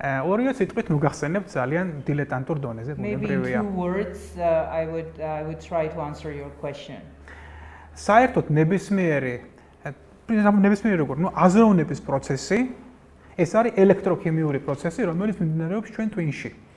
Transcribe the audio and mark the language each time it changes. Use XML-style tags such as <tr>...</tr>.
<ka>ორიო სიტყვით მოგახსენებთ ძალიან დილეტანტურ დონეზე ბუნებრივია.</ka> <en>Maybe in two words I would try to answer your question.</en> <ka>საერთოდ ნებისმიერი როგორ,</ka> <ru>ну,</ru> <ka>აზროვნების პროცესი, ეს არის ელექტროქიმიური პროცესი, რომელიც მიმდინარეობს ჩვენ ტვინში.</ka>